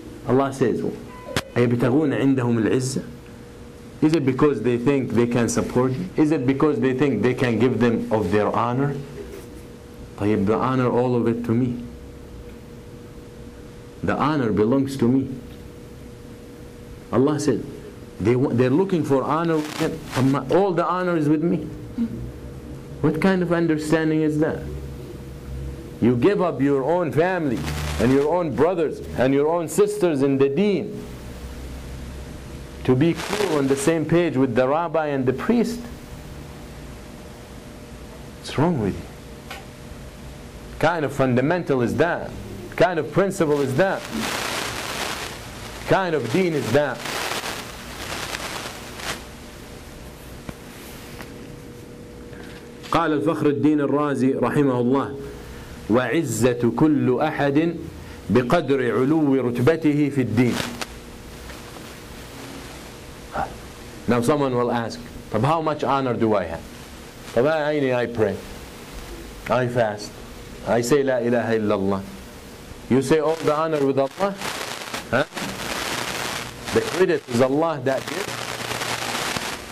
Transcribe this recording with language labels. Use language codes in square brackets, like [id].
[en] Allah says, [ar] أَيَبْتَغُونَ عِنْدَهُمُ الْعِزَّةِ. [en] Is it because they think they can support you? Is it because they think they can give them of their honor? طيب, the honor, all of it to me. The honor belongs to me. Allah said, they're looking for honor, all the honor is with me. What kind of understanding is that? You give up your own family and your own brothers and your own sisters in the deen to be cool on the same page with the rabbi and the priest? What's wrong with you? What kind of fundamental is that? What kind of principle is that? What kind of deen is that? [ar] قال الفخر الدين الرازي رحمه الله وعزة كل أحد بقدر علو رتبته في الدين. [en] Now someone will ask, طب how much honor do I have? [ar] طب عيني, [en] I pray, I fast, I say [ar] لا إله إلا الله. [en] You say all the honor with Allah, the credit is Allah that gives.